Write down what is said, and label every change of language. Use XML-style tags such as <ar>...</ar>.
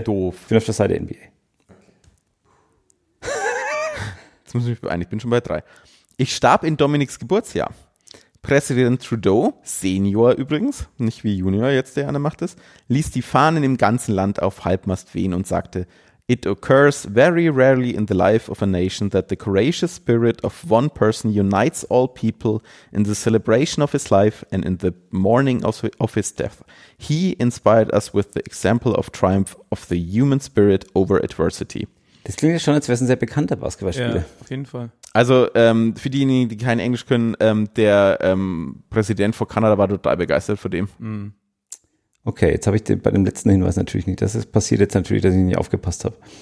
<de>Bin auf der Seite NBA. Jetzt muss ich mich beeilen. Ich bin schon bei 3. Ich starb in Dominiks Geburtsjahr. Präsident Trudeau, Senior übrigens, nicht wie Junior jetzt, der an der Macht ist, ließ die Fahnen im ganzen Land auf Halbmast wehen und sagte,</de> <en>It occurs very rarely in the life of a nation that the courageous spirit of one person unites all people in the celebration of his life and in the mourning of his death. He inspired us with the example of triumph of the human spirit over adversity.</en> <de>Das klingt ja schon, als wäre es ein sehr bekannter Basketballspieler. Ja, auf jeden Fall. Also für diejenigen, die kein Englisch können, der Präsident von Kanada war total begeistert von dem. Okay, jetzt habe ich den, bei dem letzten Hinweis natürlich nicht. Das ist passiert jetzt natürlich, dass ich nicht aufgepasst habe.</de>